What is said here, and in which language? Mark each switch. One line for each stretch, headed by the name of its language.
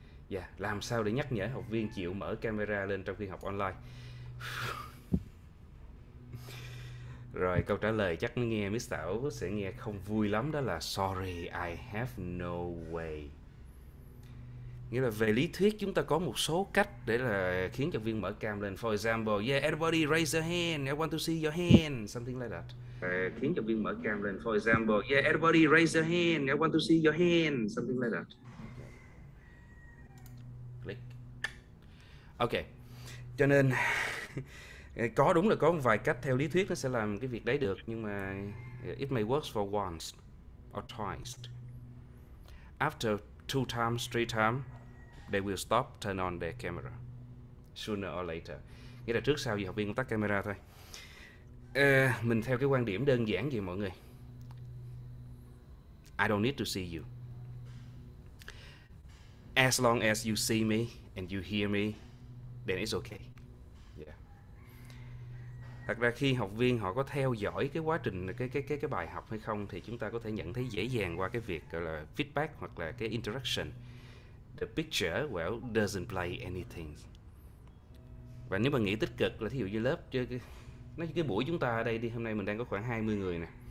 Vietnamese: Yeah, làm sao để nhắc nhở học viên chịu mở camera lên trong khi học online? Rồi câu trả lời chắc nghe Miss Thảo sẽ nghe không vui lắm, đó là
English: sorry, I have no way.
Vietnamese: Nghĩa là về lý thuyết chúng ta có một số cách để là khiến cho viên mở cam lên.
English: For example, yeah, everybody raise your hand, I want to see your hand, something like that.
Vietnamese: Khiến cho viên mở cam lên.
English: For example, yeah, everybody raise your hand, I want to see your hand, something like that. Ok.
Vietnamese: Cho nên có đúng là có một vài cách theo lý thuyết nó sẽ làm cái việc đấy được, nhưng mà
English: it may work for once or twice. After two times, three times, they will stop, turn on their camera. Sooner or later.
Vietnamese: Nghĩa là trước sau gì học viên cũng tắt camera thôi. Mình theo cái quan điểm đơn giản vậy mọi người.
English: I don't need to see you. As long as you see me and you hear me, then it's okay.
Vietnamese: Thật ra khi học viên họ có theo dõi cái quá trình cái bài học hay không thì chúng ta có thể nhận thấy dễ dàng qua cái việc gọi là feedback hoặc là cái interaction.
English: The picture, well, doesn't play anything.
Vietnamese: Và nếu mà nghĩ tích cực là thí dụ như lớp chơi nói cái buổi chúng ta ở đây đi, hôm nay mình đang có khoảng 20 người nè.